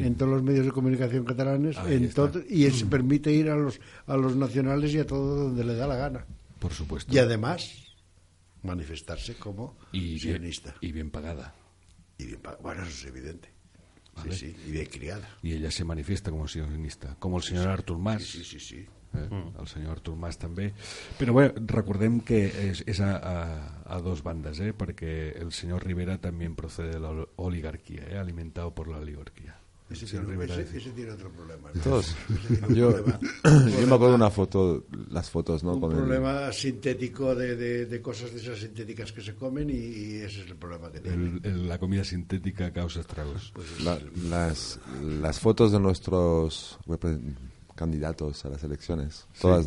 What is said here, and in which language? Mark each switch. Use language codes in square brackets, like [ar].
[es] En todos los medios de comunicación catalanes. En todo, y se permite ir a los nacionales y a todo donde le da la gana. Por supuesto. Y además, manifestarse como sionista. Y bien pagada. Y bien pagada. Bueno, eso es evidente. ¿Vale? Sí, sí, y de criada. Y ella se manifiesta como sionista, como el señor Artur Mas. Sí, sí, sí. Sí. [ca] El señor Artur Mas també. Però bé, recordem que és a dos bandes, perquè el senyor Rivera també [es] procede de la oligarquia, [ca] alimentado por la oligarquia. [es] Ese tiene otro problema, ¿no? Yo me acuerdo una foto, las fotos, ¿no? Un con problema el... sintético de cosas de esas sintéticas que se comen y ese es el problema que tiene. La comida sintética causa estragos. Pues las fotos de nuestros candidatos a las elecciones, todas sí.